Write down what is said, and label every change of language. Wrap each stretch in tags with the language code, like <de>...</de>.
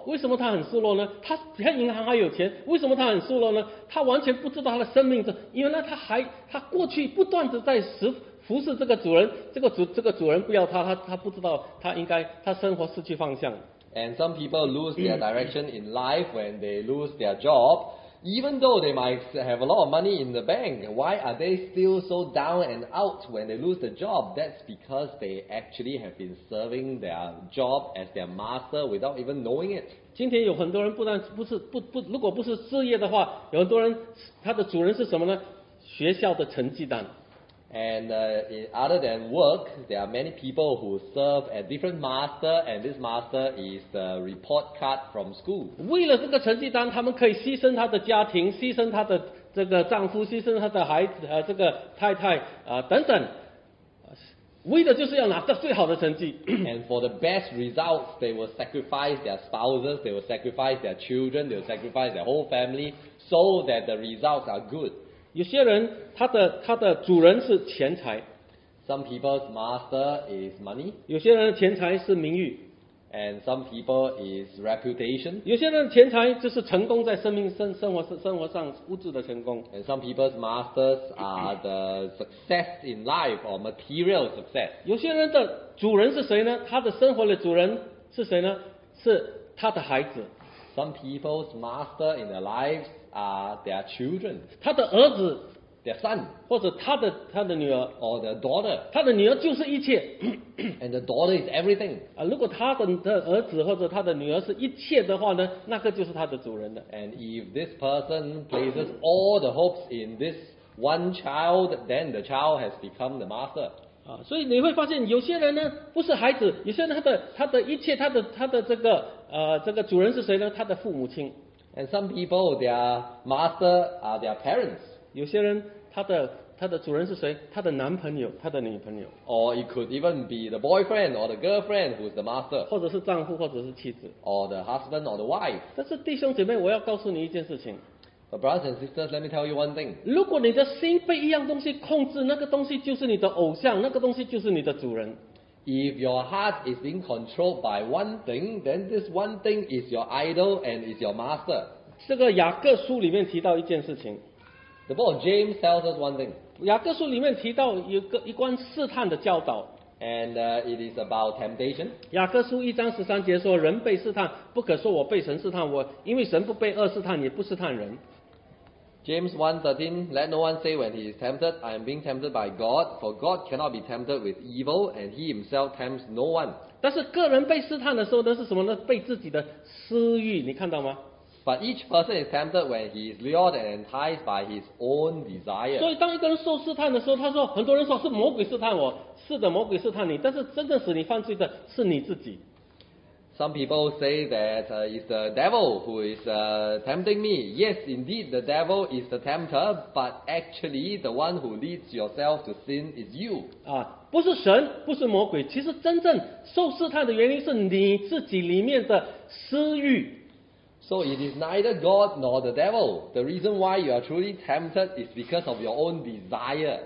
<zh>为什么他很失落呢？他银行还有钱，为什么他很失落呢？他完全不知道他的生命，因为呢，他过去不断的在服侍这个主人，这个主人不要他，他不知道他应该他生活失去方向。</zh> <en>And some people lose their direction in life when they lose their job. Even though they might have a lot of money in the bank, why are they still so down and out when they lose the job? That's because they actually have been serving their job as their master without even knowing it.</en> <zh>今天有很多人不如果不是事业的话，有很多人他的主人是什么呢？学校的成绩单。</zh> <en>And other than work, there are many people who serve a different master, and this master is the report card from school.</en> <zh>为了这个成绩单，他们可以牺牲他的家庭，牺牲他的这个丈夫，牺牲他的孩子，这个太太等等，为的就是要拿到最好的成绩。</zh> <en>And for the best results, they will sacrifice their spouses, they will sacrifice their children, they will sacrifice their whole family, so that the results are good.</en> <zh>有些人他的主人是钱财。</zh> <en>Some people's master is money.</en> <zh>有些人的钱财是名誉。</zh> <en>And some people is reputation.</en> <zh>有些人钱财就是成功在生命生活上物质的成功。</zh> <en>And some people's masters are the success in life or material success.</en> <zh>有些人的主人是谁呢？他的生活的主人是谁呢？是他的孩子。</zh> <en>Some people's master in their lives are their children.</en> <zh>他的儿子。</zh> <en>Their son,</en> <zh>或者他的女儿</zh> <en>or their daughter,</en> <zh>他的女儿就是一切</zh> <en>and the daughter is everything.</en> <zh>如果他的儿子或者他的女儿是一切的话呢，那个就是他的主人了。</zh> <en>And if this person places all the hopes in this one child, then the child has become the master.</en> <zh>所以你会发现有些人呢，不是孩子，有些人他的一切，他的这个主人是谁呢？他的父母亲。</zh> <en>And some people, their master are their parents.</en> <zh>有些人他的主人是谁？他的男朋友，他的女朋友。</zh> <en>Or it could even be the boyfriend or the girlfriend who's the master.</en> <zh>或者是丈夫，或者是妻子。</zh> <en>Or the husband or the wife.</en> <zh>但是弟兄姐妹，我要告诉你一件事情。</zh> <en>But brothers and sisters, let me tell you one thing.</en> <zh>如果你的心被一样东西控制，那个东西就是你的偶像，那个东西就是你的主人。</zh> <en>If your heart is being controlled by one thing, then this one thing is your idol and is your master.</en> <zh>这个雅各书里面提到一件事情。</zh> <en>The book of James tells us one thing.</en> <zh>雅各书里面提到一关试探的教导。</zh> <en>And it is about temptation.</en> <zh>雅各书一章十三节说，人被试探，不可说我被神试探，我因为神不被恶试探，也不试探人。</zh> <en>James 1:13, let no one say when he is tempted, I am being tempted by God, for God cannot be tempted with evil, and he himself tempts no one.</en> <zh>但是个人被试探的时候呢，是什么呢？被自己的私欲，你看到吗？</zh> <en>But each person is tempted when he is lured and enticed by his own desire.</en> <zh>所以当一个人受试探的时候，他说，很多人说是魔鬼试探我，是的，魔鬼试探你，但是真正使你犯罪的是你自己。</zh> <en>Some people say that it's the devil who is tempting me. Yes, indeed, the devil is the tempter, but actually the one who leads yourself to sin is you.</en> <zh>不是神，不是魔鬼，其实真正受试探的原因是你自己里面的私欲。</zh> <en>So it is neither God nor the devil. The reason why you are truly tempted is because of your own desire.</en>